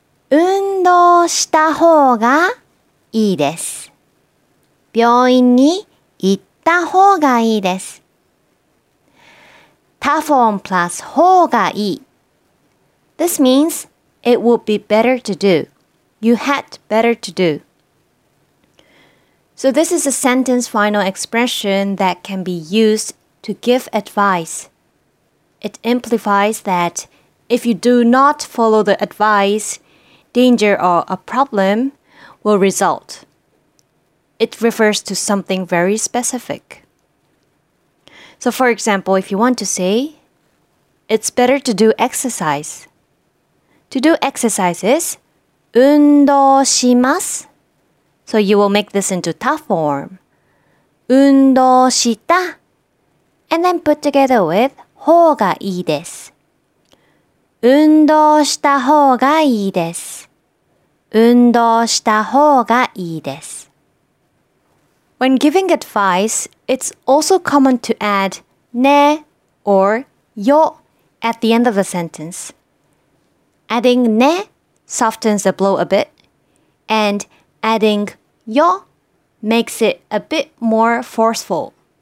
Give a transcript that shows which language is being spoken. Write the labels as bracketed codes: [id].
[ja] 運動した方がいいです。病院に行った方がいいです。他方プラス方がいい。 [en] This means it would be better to do. You had better to do. So this is a sentence final expression that can be used to give advice. It implies that if you do not follow the advice, danger or a problem will result. It refers to something very specific. So for example, if you want to say, it's better to do exercise. To do exercises, [ja] 運動します。 [en] So you will make this into た form. [ja] 運動した。 [en] And then put together with [ja] 方がいいです。運動した方がいいです。運動した方がいいです。 [en] When giving advice, it's also common to add ね or よ at the end of the sentence. Adding ね softens the blow a bit, and adding よ makes it a bit more forceful.